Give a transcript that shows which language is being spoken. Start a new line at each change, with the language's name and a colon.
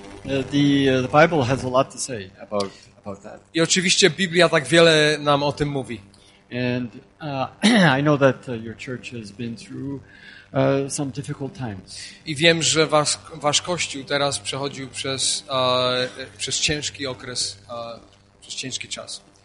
English: The Bible has a lot to say about that.
Polish: I oczywiście Biblia tak wiele nam o tym mówi.
English: And I know that your church has been through some difficult times.
Polish: I wiem, że wasz kościół teraz przechodził przez ciężki okres, przez ciężki czas.